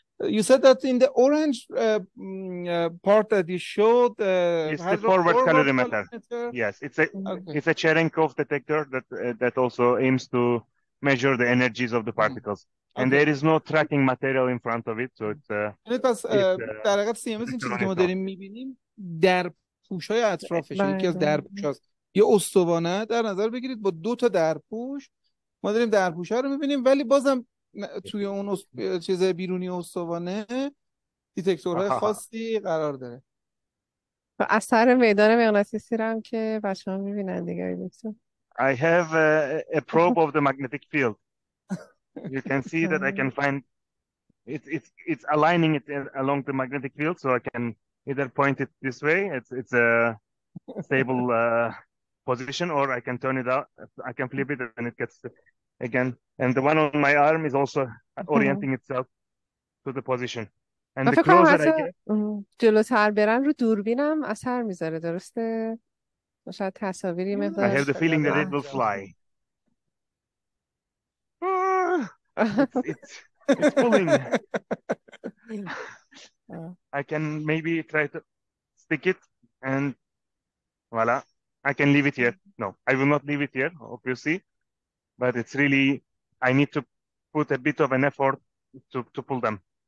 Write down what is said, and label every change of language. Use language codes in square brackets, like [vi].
[en] You said that in the orange part that you showed, it's the forward calorimeter. Yes, it's a Cherenkov detector that also aims to measure the energies of the particles. Mm-hmm. And okay. There is no tracking material in front of it, so it's [fa] در واقع سی ام اس این چیزی که ما داریم می‌بینیم در پوش‌های اطرافش، یکی از در پوش‌هاست. یه استوانه در نظر بگیرید با دو تا در پوش، ما داریم در پوش‌ها رو می‌بینیم، ولی بازم توی اون چیز بیرونی استوانه دیتکتورهای خاصی قرار داره. اثر میدان مغناطیسی رو هم که بچه‌ها می‌بینن دیگه دکتر. [en] I have a probe of the magnetic field. You can see that I can find it's aligning it along the magnetic field, so I can either point it this way, it's a stable position, or I can turn it out, I can flip it and it gets again, and the one on my arm is also orienting itself to the position. And the closer I get [fa] جلوتر برم رو دوربینم اثر میذاره، درسته؟ شاید تصاویری مقدار. [en] I have the feeling that it will fly. It's pulling. I can maybe try to stick it and voila. I can leave it here. No, I will not leave it here, obviously. But it's really, I need to put a bit of an effort to pull them.